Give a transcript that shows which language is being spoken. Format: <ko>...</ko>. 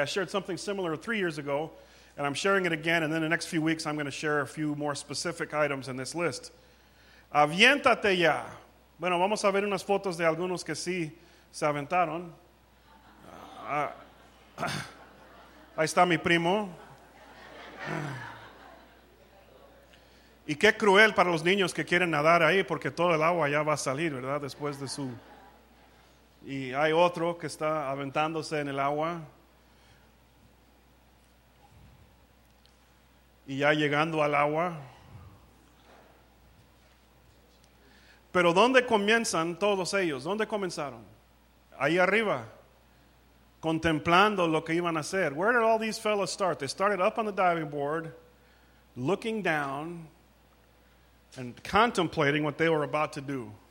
<en>I shared something similar 3 years ago, and I'm sharing it again, and then in the next few weeks I'm going to share a few more specific items in this list.</en> <es>Aviéntate ya. Bueno, vamos a ver unas fotos de algunos que sí se aventaron. Ahí está mi primo. Y qué cruel para los niños que quieren nadar ahí, porque todo el agua ya va a salir, ¿verdad? Después de su... Y hay otro que está aventándose en el agua. Y ya llegando al agua. Pero ¿dónde comienzan todos ellos? ¿Dónde comenzaron? Ahí arriba, contemplando lo que iban a hacer.</es> <en>Where did all these fellows start? They started up on the diving board, looking down and contemplating what they were about to do.</en>